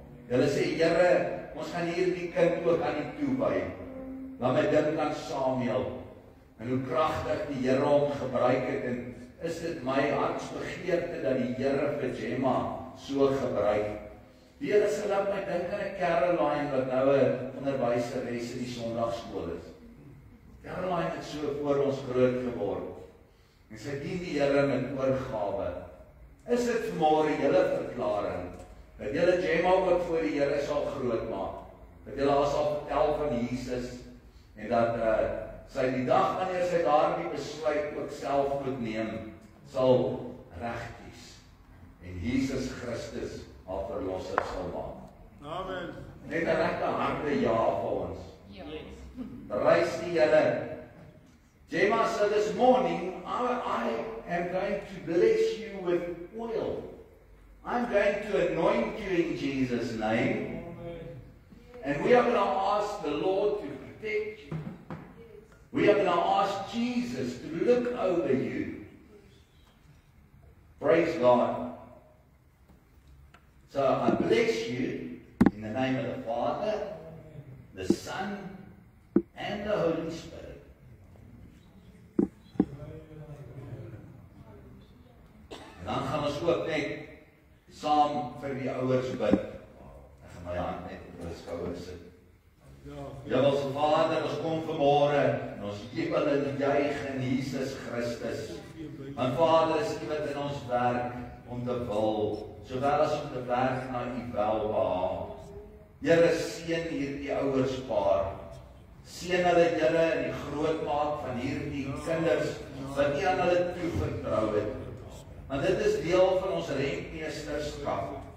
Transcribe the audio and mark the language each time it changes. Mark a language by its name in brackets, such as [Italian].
[Afrikaans] Julle sê, Here, ons gaan hierdie kind ook aan U toewy, want my dink aan Samuel, en hoe kragtig die Here hom gebruik het, en is dit my hartsbegeerte dat die Here vir Gemma so gebruik. Hier is hulle my dink aan 'n Caroline wat nou 'n onderwyseres in die sonndagskool is. Caroline het so voor ons groot geword. En sy dien die Here met oorgawe. Is dit vanmôre julle verklaring dat julle Gemma ook voor die Here sal groot maak? Dat julle haar sal vertel van Jesus en dat sy die dag wanneer sy daardie besluit ook self moet neem, sal regkies. En Jesus Christus haar verlosser sal maak. Amen. Net 'n regte harde ja vir ons. [English] Yes. [Afrikaans] Prys die Here. [English] Gemma said this morning, I am going to bless you with oil. I'm going to anoint you in Jesus' name. And we are going to ask the Lord to protect you. We are going to ask Jesus to look over you. Praise God. So I bless you in the name of the Father, the Son, and the Holy Spirit. [Afrikaans] Dan gaan ons ook net saam vir die ouers bid. Ek gaan my hand net op hulle skouers sit. Ja, ons Vader, ons kom vanmôre en ons jubel en juig in Jesus Christus. Want Vader is U wat in ons werk om te wil, sowel as om te werk na U welbehaag. Here, seën hierdie ouerspaar. Seën hulle, Here, in die grootmaak van hierdie kinders wat U aan hulle toe vertrou het. Want dit is deel van ons rentmeesterskap.